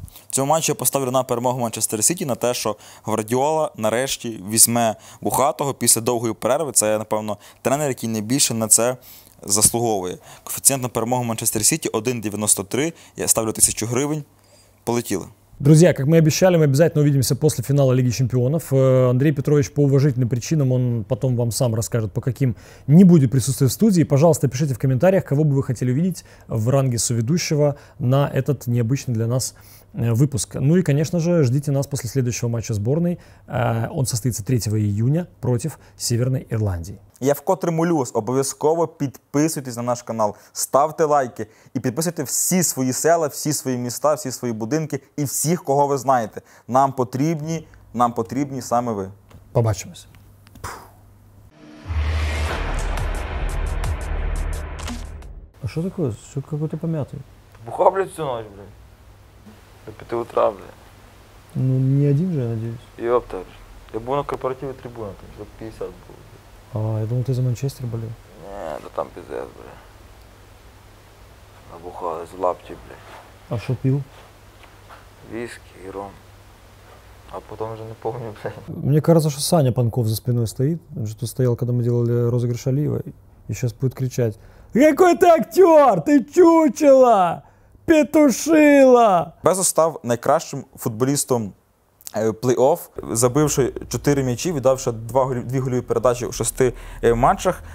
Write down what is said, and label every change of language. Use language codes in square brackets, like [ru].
[uk] В цьому матчі я поставлю на перемогу Манчестер Сіті, на те, що Гвардіола нарешті візьме вухатого після довгої перерви. Це, напевно, тренер, який найбільше на це заслуговує. Коефіцієнт на перемогу Манчестер Сіті 1.93. Я ставлю 1000 гривень. Полетіли. [ru] Друзья, как мы и обещали, мы обязательно увидимся после финала Лиги Чемпионов. Андрей Петрович по уважительным причинам, он потом вам сам расскажет, по каким, не будет присутствовать в студии. Пожалуйста, пишите в комментариях, кого бы вы хотели увидеть в ранге соведущего на этот необычный для нас выпуск. Ну и, конечно же, ждите нас после следующего матча сборной. Он состоится 3 июня против Северной Ирландии. [uk] Я вкотре молюсь, обов'язково підписуйтесь на наш канал, ставте лайки і підписуйте всі свої села, всі свої міста, всі свої будинки і всіх, кого ви знаєте. Нам потрібні саме ви. Побачимось. А що таке? Що какой-то пом'ятий? [ru] Бухав, блядь, цю ночь, блядь. До 5 утра, блядь. [uk] Ну, не один же, я надіюсь. Йопта, я був на корпоративі трибуна, там за 50 був. [ru] А, я думал, ты за Манчестер болел. Не, да там пиздец, бля. Набухал из лапти, бля. А что пил? [uk] віскі і ром. А потім вже не помню, блядь. Мені кажется, що Саня Панков за спиною стоїть. Він же тут стояв, коли ми робили розіграш Алієва. І зараз буде кричати: «Який ти актер? Ти чучело! Петушило!» Безо став найкращим футболістом плей-офф, забивши 4 м'ячі, віддавши 2 гольові передачі у 6 матчах.